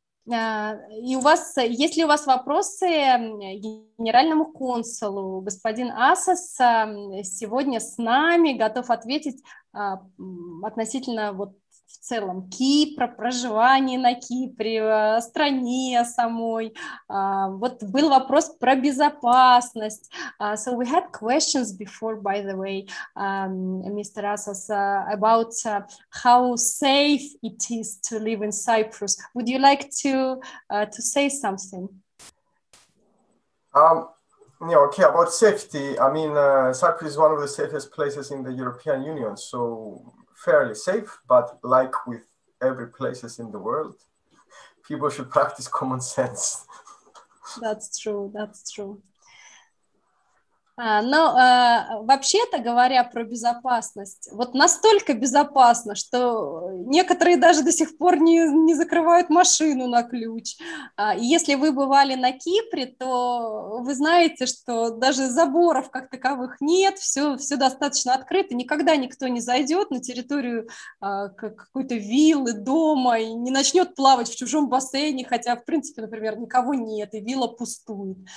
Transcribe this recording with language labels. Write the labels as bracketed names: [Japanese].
[Russian] И у вас, есть ли у вас вопросы генеральному консулу? Господин Асос сегодня с нами, готов ответить относительно вот в целом Кипра, проживание на Кипре, стране самой. Вот был вопрос про безопасность. [English] So we had questions before, by the way, Mr. Asos, about how safe it is to live in Cyprus. Would you like to say something? Yeah, okay, about safety. I mean, Cyprus is one of the safest places in the European Union, so fairly safe, but like with every places in the world, people should practice common sense. That's true. [Russian] Но вообще-то говоря про безопасность, вот настолько безопасно, что некоторые даже до сих пор не закрывают машину на ключ. И если вы бывали на Кипре, то вы знаете, что даже заборов как таковых нет, все достаточно открыто, никогда никто не зайдет на территорию какой-то виллы, дома и не начнет плавать в чужом бассейне, хотя, в принципе, например, никого нет, и вилла пустует.